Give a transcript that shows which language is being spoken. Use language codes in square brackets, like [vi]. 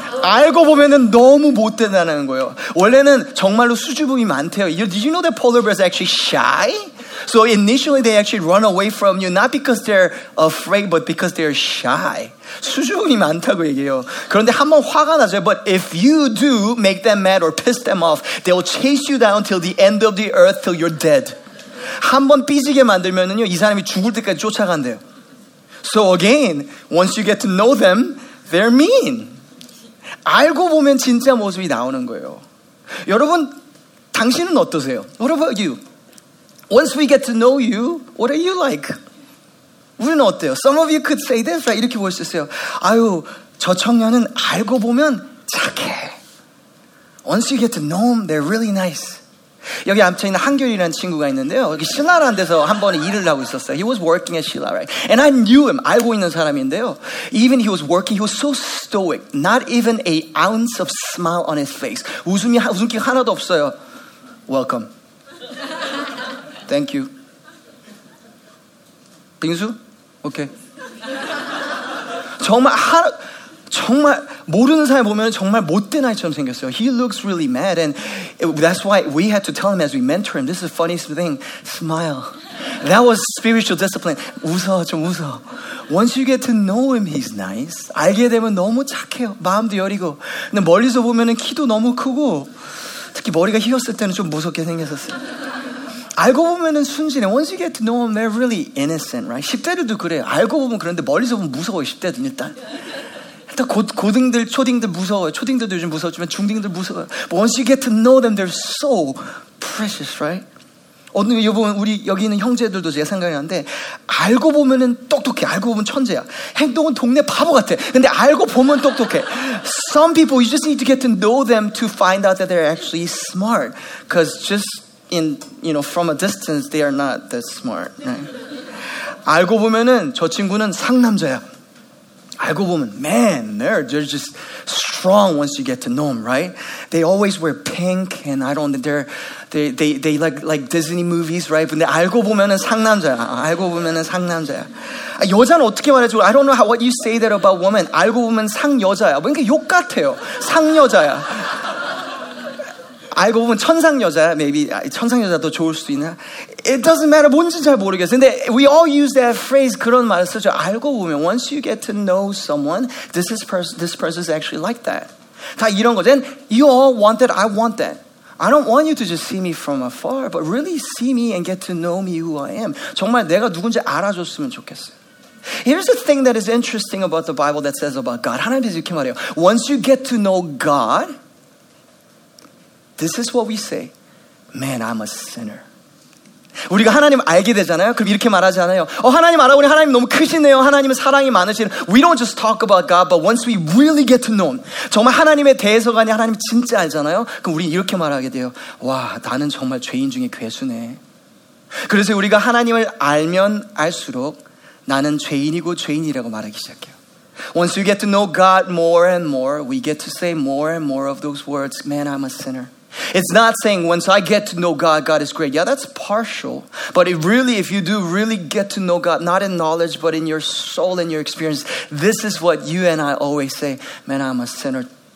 [ko] 알고 보면은 너무 못된다는 거예요. 원래는 정말로 수줍음이 많대요. [en] Did you know that polar bears are actually shy? So initially they actually run away from you not because they're afraid but because they're shy. [ko] 수줍음이 많다고 얘기해요. 그런데 한번 화가 나죠. [en] But if you do make them mad or piss them off, they'll chase you down till the end of the earth till you're dead. [ko] 한번 삐지게 만들면은요, 이 사람이 죽을 때까지 쫓아간대요. [en] So again, once you get to know them, they're mean. [ko] 알고 보면 진짜 모습이 나오는 거예요. 여러분, 당신은 어떠세요? [en] What about you? Once we get to know you, what are you like? [ko] 우리는 어때요? [en] Some of you could say this, right? [ko] 이렇게 볼 수 있어요. 아유, 저 청년은 알고 보면 착해. [en] Once you get to know them, they're really nice. [ko] 여기 앞에 있는 한결이라는 친구가 있는데요. 여기 신라라는 데서 한 번에 일을 하고 있었어요. [en] He was working at Shilla, right? And I knew him. [ko] 알고 있는 사람인데요. [en] Even he was working, he was so stoic. Not even an ounce of smile on his face. [ko] 웃음기 하나도 없어요. [en] Welcome. Thank you. [ko] 빙수? Okay. 정말 하나... 정말 모르는 사람 보면 정말 못된 아이처럼 생겼어요. [en] He looks really mad, and that's why we had to tell him as we mentor him. This is the funniest thing. Smile. That was spiritual discipline. [ko] 웃어, 좀 웃어. [en] Once you get to know him, he's nice. [ko] 알게 되면 너무 착해요. 마음도 여리고. 근데 멀리서 보면은 키도 너무 크고, 특히 머리가 휘었을 때는 좀 무섭게 생겼었어요. 알고 보면은 순진해. [en] Once you get to know him, they're really innocent, right? [ko] 10대들도 그래요. 알고 보면 그런데 멀리서 보면 무서워요. 10대들 일단. 또 고등들, 초딩들 무서워요. 초딩들도 요즘 무서웠지만 중딩들 무서워요. [en] But once you get to know them, they're so precious, right? [ko] 어느 여러분 우리 여기 있는 형제들도 제가 생각이 나는데 알고 보면은 똑똑해. 알고 보면 천재야. 행동은 동네 바보 같아. 근데 알고 보면 똑똑해. [en] Some people, you just need to get to know them to find out that they're actually smart. Because just in, you know, from a distance, they are not that smart. Right? [ko] 알고 보면은 저 친구는 상남자야. 알고 보면, [en] man, they're just strong once you get to know them, right? They always wear pink, and I don't, they like Disney movies, right? [ko] 근데 알고 보면은 상남자야. 알고 보면은 상남자야. 아, 여자는 어떻게 말해줘? [en] I don't know how, what you say that about women. [ko] 알고 보면 상여자야. 뭔가 욕 같아요. 상여자야. 알고 보면 천상여자야. [en] Maybe [ko] 천상여자도 좋을 수도 있나? [en] It doesn't matter. [ko] 뭔지 잘 모르겠어. 근데 [en] we all use that phrase. [ko] 그런 말을 쓰죠. 알고 보면 [en] once you get to know someone, this person is actually like that. [ko] 다 이런 거. [en] Then you all want that. I want that. I don't want you to just see me from afar, but really see me and get to know me who I am. [ko] 정말 내가 누군지 알아줬으면 좋겠어요. [en] Here's the thing that is interesting about the Bible that says about God. [ko] 하나님이 이렇게 말해요. [en] Once you get to know God, this is what we say. Man, I'm a sinner. [ko] 우리가 하나님 알게 되잖아요. 그럼 이렇게 말하지 않아요. 어, 하나님 알아보니 하나님 너무 크시네요. 하나님은 사랑이 많으시네. [en] We don't just talk about God, but once we really get to know him, [ko] 정말 하나님에 대해서 가니 하나님 진짜 알잖아요. 그럼 우리 이렇게 말하게 돼요. 와, 나는 정말 죄인 중에 괴수네. 그래서 우리가 하나님을 알면 알수록 나는 죄인이고 죄인이라고 말하기 시작해요. [en] Once you get to know God more and more, we get to say more and more of those words, man, I'm a sinner. It's not saying once I get to know God, God is great. Yeah, that's partial. But it really, if you do really get to know God, not in knowledge, but in your soul and your experience, this is what you and I always say, man, I'm a sinner.